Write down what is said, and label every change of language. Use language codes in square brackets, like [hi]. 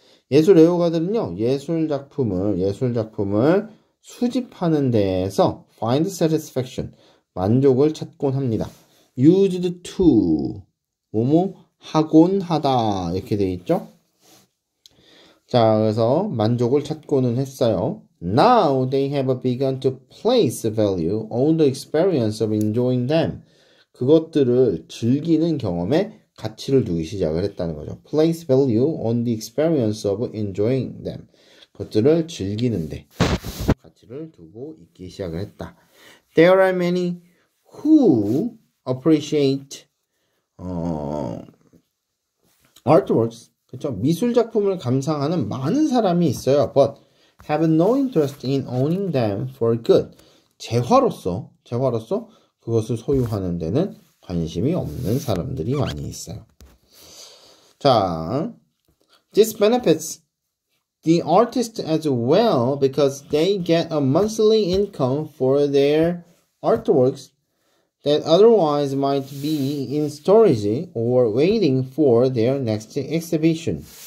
[ko] 예술 애호가들은요, 예술 작품을 수집하는 데에서 [en] find satisfaction, [ko] 만족을 찾곤 합니다. used to, 뭐뭐, 하곤 하다. 이렇게 돼 있죠? 자, 그래서 만족을 찾고는 했어요. [en] Now they have begun to place value on the experience of enjoying them. [ko] 그것들을 즐기는 경험에 가치를 두기 시작을 했다는 거죠. [en] Place value on the experience of enjoying them. [ko] 그것들을 즐기는데 가치를 두고 있기 시작을 했다. [en] There are many who appreciate artworks. [ko] 그렇죠? 미술 작품을 감상하는 많은 사람이 있어요. [en] But have no interest in owning them for good. [ko] 재화로서 그것을 소유하는 데는 관심이 없는 사람들이 많이 있어요. [en] 자, this benefits the artist as well because they get a monthly income for their artworks that otherwise might be in storage or waiting for their next exhibition.